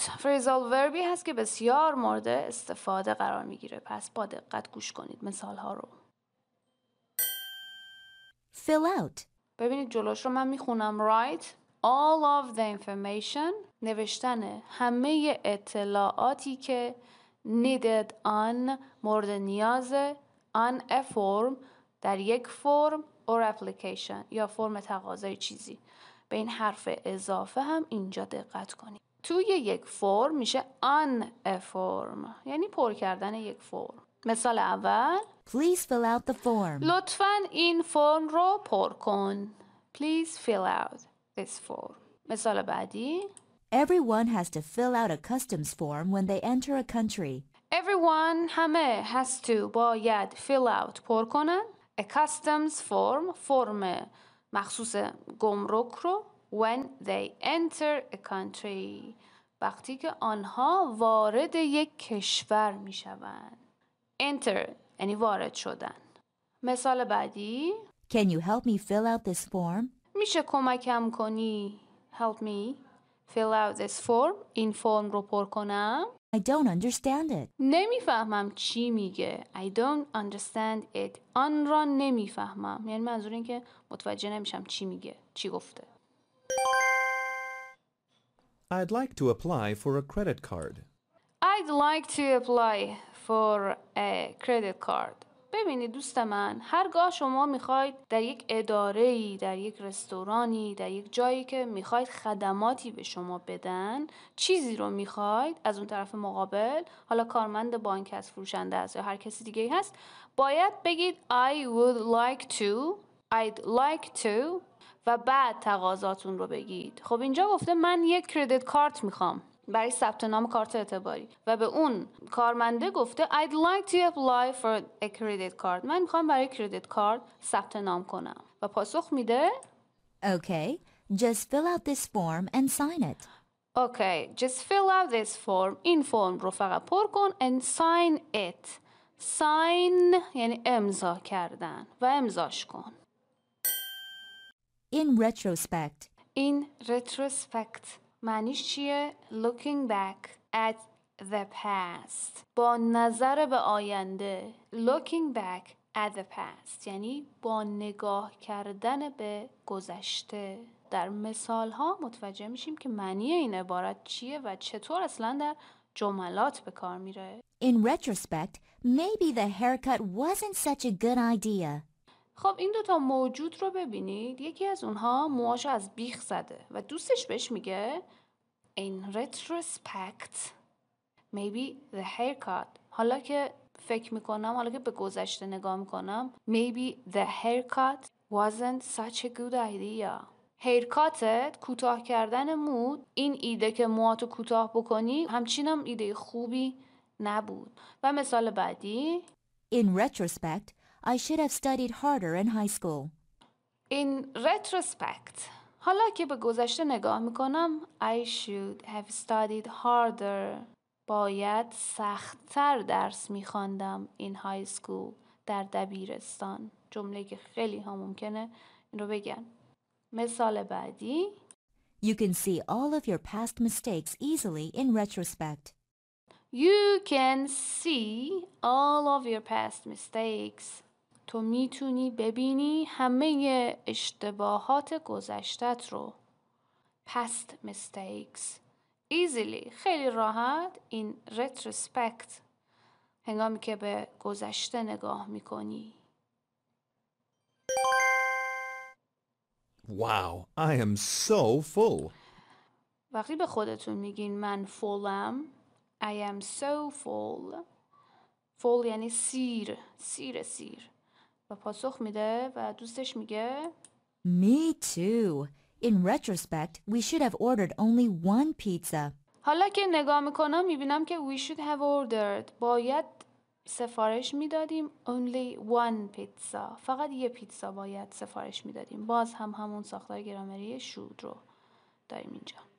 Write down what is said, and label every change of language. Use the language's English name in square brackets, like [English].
[Persian] Phrasal verbی هست که بسیار مورد استفاده قرار میگیره. پس با دقت گوش کنید مثال ها رو. [English] Fill out. [Persian] ببینید جلوش رو من میخونم. [English] Write all of the information. [Persian] نوشتن همه اطلاعاتی که [English] needed on [Persian] مورد نیازه. [English] On a form. [Persian] در یک [English] form or application. [Persian] یا form تقاضای چیزی. به این حرف اضافه هم اینجا دقت کنید. توی یک فرم میشه [English] on a form، [Persian] یعنی پر کردن یک فرم. مثال اول [English] Please fill out the form. [Persian] لطفاً این فرم رو پر کن. [English] Please fill out this form. [Persian] مثال بعدی [English] Everyone has to fill out a customs form when they enter a country. Everyone [Persian] همه [English] has to [Persian] باید [English] fill out [Persian] پر کنن [English] a customs form، [Persian] فرم مخصوص گمرک رو [English] when they enter a country، [Persian] وقتی که آنها وارد یک کشور می شوند. Enter یعنی وارد شدن. مثال بعدی [English] Can you help me fill out this form؟ [Persian] میشه کمکم کنی [English] help me fill out this form، [Persian] این فرم رو پر کنم. [English] I don't understand it. [Persian] نمی فهمم چی میگه. [English] I don't understand it. [Persian] آن را نمی فهمم. یعنی منظور این که متوجه نمیشم چی میگه. چی گفته. [English] I'd like to apply for a credit card. I'd like to apply for a credit card. [Persian] ببینید دوست من، هرگاه شما میخواید در یک اداره‌ای، در یک رستورانی، در یک جایی که میخواید خدماتی به شما بدن، چیزی رو میخواید از اون طرف مقابل، حالا کارمند بانک هست، فروشنده هست یا هر کسی دیگه هست، باید بگید [English] I would like to، I'd like to، [Persian] و بعد تقاضاتون رو بگید. خب اینجا گفته من یک کردیت کارت میخوام برای ثبت نام کارت اعتباری و به اون کارمنده گفته [English] I'd like to apply for a credit card. [Persian] من میخوام برای credit card ثبت نام کنم و پاسخ میده [English] Okay, just fill out this form and sign it. Okay, just fill out this form. [Persian] این فرم رو فقط پر کن [English] and sign it. [Persian] Sign یعنی امضا کردن و امضاش کن. [English] In retrospect. In retrospect [Persian] معنیش چیه؟ [English] Looking back at the past. [Persian] با نظر به آینده. [English] Looking back at the past. [Persian] یعنی با نگاه کردن به گذشته. در مثال ها متوجه میشیم که معنی این عبارت چیه و چطور اصلا در جملات به کار میره. [English] In retrospect, maybe the haircut wasn't such a good idea. [Persian] خب این دوتا موجود رو ببینید. یکی از اونها موهاشو از بیخ زده و دوستش بهش میگه [English] In retrospect, maybe the haircut. [Persian] حالا که فکر میکنم، حالا که به گذشته نگاه میکنم، [English] maybe the haircut wasn't such a good idea. [Persian] هیرکاتت، کوتاه کردن مو، این ایده که موهاتو کوتاه بکنی، همچین هم ایده خوبی نبود. و مثال بعدی [English] In retrospect, I should have studied harder in high school. In retrospect, [Persian] حالا که به گذشته نگاه میکنم [English] I should have studied harder. [Persian] باید سخت‌تر درس میخواندم [English] in high school [Persian] در دبیرستان. جمله که خیلی ها ممکنه این رو بگن. مثال بعدی [English] You can see all of your past mistakes easily in retrospect. You can see all of your past mistakes. [Persian] تو میتونی ببینی همه اشتباهات گذشتت رو. [English] Past mistakes. Easily. [Persian] خیلی راحت. [English] In retrospect. [Persian] هنگامی که به گذشته نگاه میکنی. [English] Wow, I am so full. [Persian] وقتی به خودتون میگین من فولم، [English] I am so full. [Persian] Full یعنی سیر، سیر سیر. و پاسخ میده و دوستش میگه [English] Me too. In retrospect, we should have ordered only one pizza. [Persian] حالا که نگاه میکنم میبینم که [English] we should have ordered. [Persian] باید سفارش میدادیم [English] only one pizza. [Persian] فقط یه پیتزا باید سفارش میدادیم. باز هم همون ساختار گرامری should رو داریم اینجا.